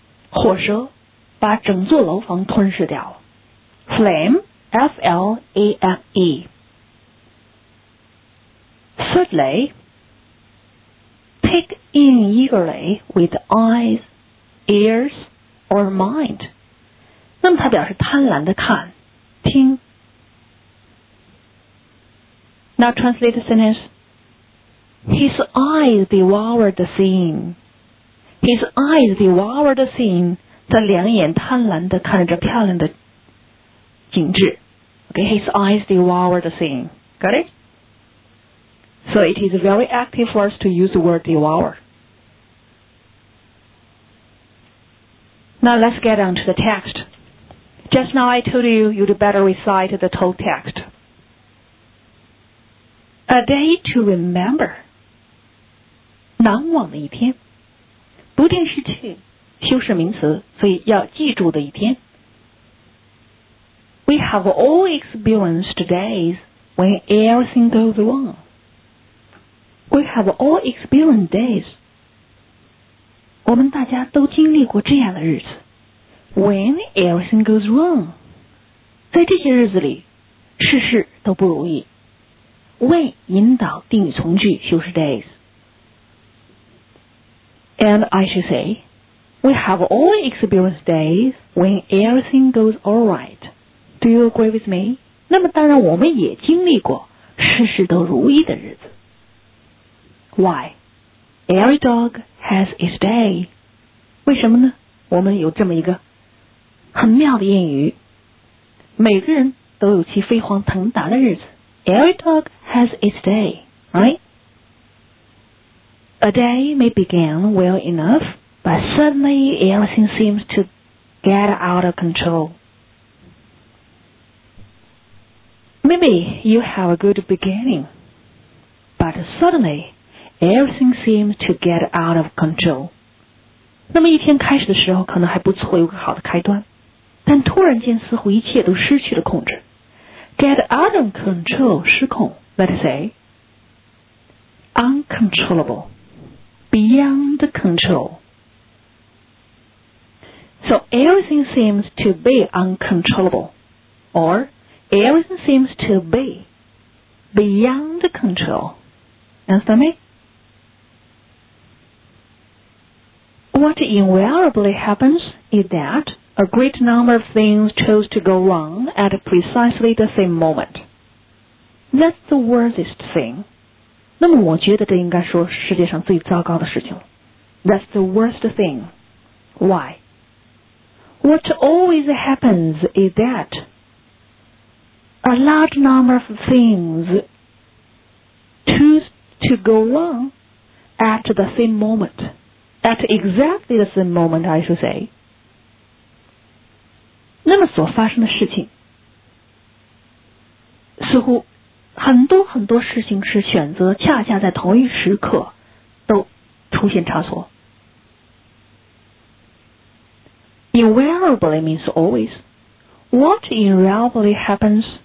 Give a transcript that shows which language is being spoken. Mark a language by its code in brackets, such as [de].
[zh] 火蛇把整座楼房吞噬掉。 [en] Flame, F-L-A-M-E. Thirdly, take in eagerly with eyes, ears, or mind. [zh] 那么它表示贪婪的看，听。 [en] Now translate the sentence. His eyes devoured the scene. His eyes devoured the scene. [zh] 他两眼贪婪地看着这漂亮的景致。 [en] Okay, his eyes devoured the scene. Got it? So it is very active for us to use the word devour. Now let's get on to the text. Just now I told you you'd better recite the whole text. A day to remember. [zh] 难忘的一天。不定式去修饰名词，所以要记住的一天。 [en] We have all experienced days when everything goes wrong. We have all experienced days. [zh] 我们大家都经历过这样的日子。 [en] When everything goes wrong. [zh] 在这些日子里，事事都不如意。为引导定语从句修饰 days. [en] And I should say, we have all experienced days when everything goes all right. Do you agree with me? [zh] 那么当然我们也经历过事事都如意的日子。 [en] Why? Every dog has its day. [zh] 为什么呢？我们有这么一个很妙的谚语。每个人都有其飞黄腾达的日子。 [en] Every dog has its day, right? A day may begin well enough, but suddenly everything seems to get out of control. Maybe you have a good beginning, but suddenly everything seems to get out of control. [zh] 那么一天开始的时候可能还不错，有个好的开端，但突然间似乎一切都失去了控制。 [en] Get out of control, [zh] 失控 [en] let's say. Uncontrollable, beyond control. So everything seems to be uncontrollable, or everything seems to be beyond control. Understand me? What invariably happens is that,A great number of things chose to go wrong at precisely the same moment. That's the worstest thing. [zh] 那么我觉得这应该说世界上最糟糕的事情。 [en] That's the worst thing. Why? What always happens is that a large number of things choose to go wrong at the same moment. At exactly the same moment, I should say. [zh] 那么所发生的事情似乎很多很多事情是选择恰恰在同一时刻都出现差错 [en] Invariably means always What invariably happens